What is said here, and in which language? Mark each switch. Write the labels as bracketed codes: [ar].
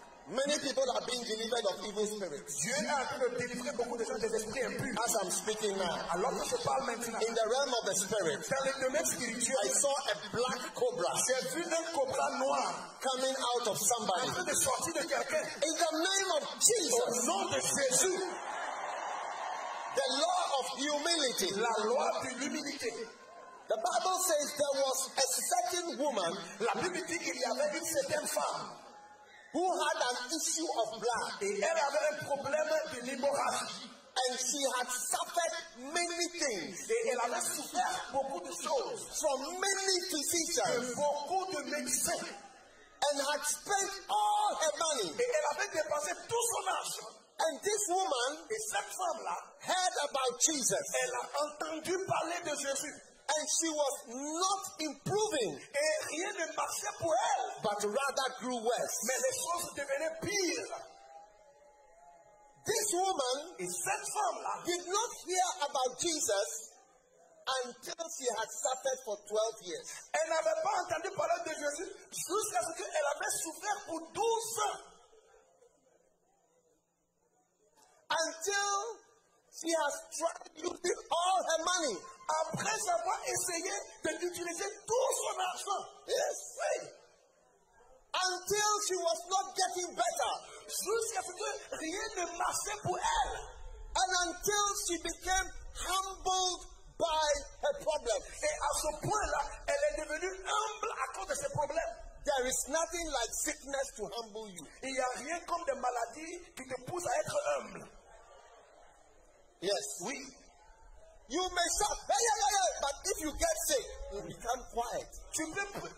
[en] Many people are being delivered of evil spirits. [fr] Dieu a délivré beaucoup de gens des esprits impurs. [en] As I'm speaking now, [fr] alors que je parle maintenant, [en] in the realm of the spirit, [fr] dans le domaine spirituel, [en] I saw a black cobra. [fr] J'ai vu un cobra noir [en] coming out of somebody. [fr] En train de sortir de quelqu'un. [en] In the name of Jesus. [fr] Au nom de Jésus. [en] The law of humility. [fr] La loi de l'humilité. [en] The Bible says there was a certain woman. [fr] La Bible dit qu'il y avait une certaine femme. [en] Who had an issue of blood. [fr] Et elle avait un problème de l'hémorragie. [en] And she had suffered many things. [fr] Et elle avait souffert beaucoup de choses. [en] From many physicians. [fr] De beaucoup de médecins. [en] And had spent all her money. [fr] Et elle avait dépensé tout son argent. [en] And this woman, [fr] et cette femme-là, [en] heard about Jesus. [fr] Elle a entendu parler de Jésus. [en] And she was not improving. [fr] Et rien ne marchait pour elle. [en] But rather grew worse. [fr] Mais les choses devenaient pires. [en] This woman, [fr] et cette femme-là, [en] did not hear about Jesus until she had suffered for 12 years. [fr] Elle n'avait pas entendu parler de Jésus jusqu'à ce qu'elle avait souffert pour 12 ans. [en] Until she has tried using all her money. [fr] Après avoir essayé de l'utiliser tout son argent. [en] Yes. [fr] Oui. [en] Until she was not getting better. [fr] Jusqu'à ce que rien ne marchait pour elle. [en] And until she became humbled by her problem. [fr] Et à ce point-là, elle est devenue humble à cause de ses problèmes. [en] There is nothing like sickness to humble you. [fr] Il n'y a rien comme des maladies qui te poussent à être humble. [en] Yes. [fr] Oui. [en] You may shout, hey, hey, hey, hey, but if you get sick, you become quiet.